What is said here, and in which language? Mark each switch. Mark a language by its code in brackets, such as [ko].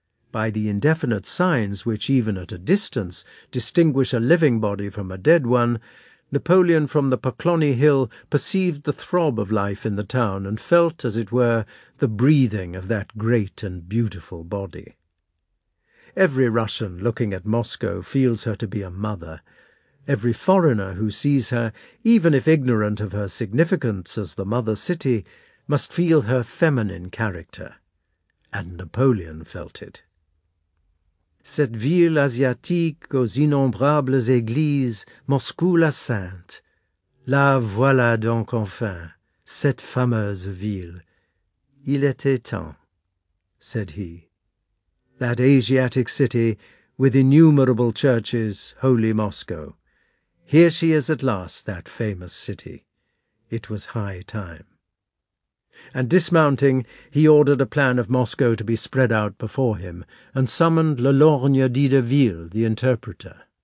[en] By the indefinite signs which, even at a distance, distinguish a living body from a dead one, Napoleon from the Pocloni Hill perceived the throb of life in the town and felt, as it were, the breathing of that great and beautiful body. Every Russian looking at Moscow feels her to be a mother. Every foreigner who sees her, even if ignorant of her significance as the mother city, must feel her feminine character. And Napoleon felt it. [fr] Cette ville asiatique aux innombrables églises, Moscou la Sainte. La voilà donc enfin, cette fameuse ville. Il était temps, [en] said he. That Asiatic city with innumerable churches, holy Moscow. Here she is at last, that famous city. It was high time. And dismounting, he ordered a plan of Moscow to be spread out before him, and summoned Le Lorgne d'Ideville, the interpreter.